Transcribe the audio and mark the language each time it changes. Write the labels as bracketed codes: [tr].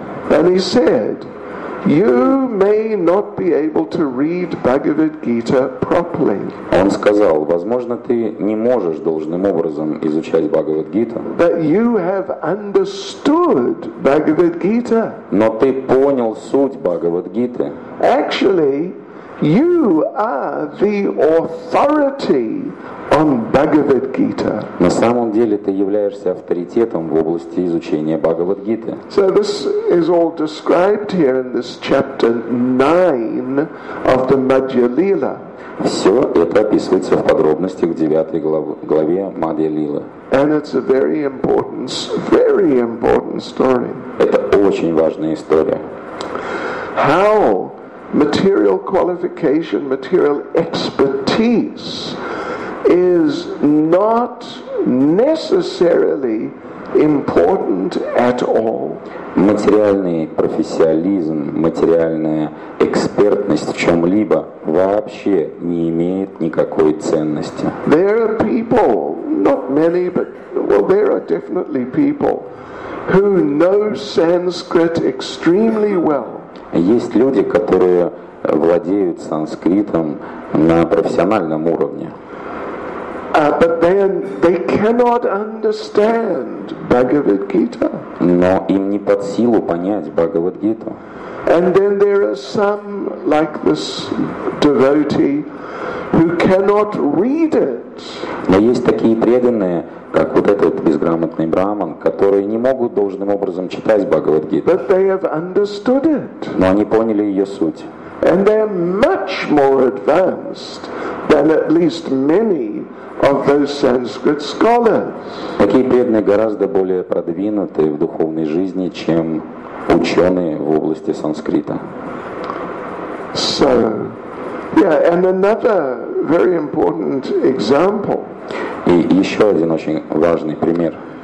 [en] And he said, "You may not be able to read Bhagavad Gita properly." [ru] Он сказал, возможно, ты не можешь должным образом изучать Бхагавад Гиту. [en] But you have understood Bhagavad Gita. [ru] Но ты понял суть Бхагавад Гиты. [en] Actually, you are the authority on Bhagavad Gita. [ru] На самом деле ты являешься авторитетом в области изучения Бхагавад Гиты. [en] So this is all described here in this chapter 9 of the Madhya Lila. [ru] Все это описывается в подробностях в 9 главе Мадья Лилы. [en] And it's a very important story. [ru] Это очень важная история. [en] How material qualification, material expertise is not necessarily important at all. [ru] Материальный профессионализм, материальная экспертность в чем-либо вообще не имеет никакой ценности. [en] There are people, not many, but well, there are definitely people who know Sanskrit extremely well. [ru] Есть люди, которые владеют санскритом на профессиональном уровне. [en] But they cannot understand Bhagavad Gita. [ru] Но им не под силу понять Бхагавад Гиту. [en] And then there are some like this devotee who cannot read it. [ru] Но есть такие преданные, как вот этот безграмотный браман, которые не могут должным образом читать Бхагавад Гиту. [en] But they have understood it. [ru] Но они поняли ее суть. [en] And they are much more advanced than at least many of those Sanskrit scholars. [ru] Такие преданные гораздо более продвинуты в духовной жизни, чем ученые в области санскрита. [en] So, yeah, and another very important example. [ru] И еще один очень важный пример.